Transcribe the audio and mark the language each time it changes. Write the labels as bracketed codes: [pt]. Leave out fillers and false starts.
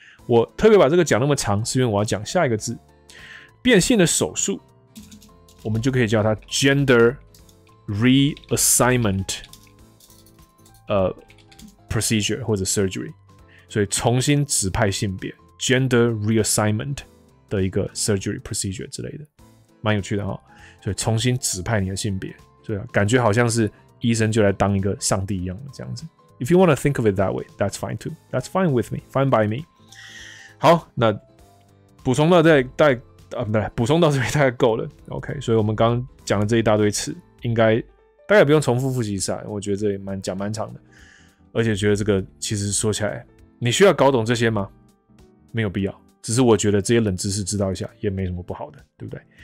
[zh] 我特别把这个讲那么长，是因为我要讲下一个字，变性的手术，我们就可以叫它 gender reassignment， procedure 或者 surgery。所以重新指派性别 ，gender reassignment 的一个 surgery procedure 之类的，蛮有趣的哈。所以重新指派你的性别，所以感觉好像是医生就来当一个上帝一样的这样子。 [en] If you want to think of it that way, that's fine too. That's fine with me. Fine by me. [zh] 好，那补充到再带啊，不对，补充到这边大概够了。OK， 所以我们刚讲的这一大堆词，应该大概不用重复复习一下，我觉得这也蛮讲蛮长的，而且觉得这个其实说起来，你需要搞懂这些吗？没有必要，只是我觉得这些冷知识知道一下也没什么不好的，对不对？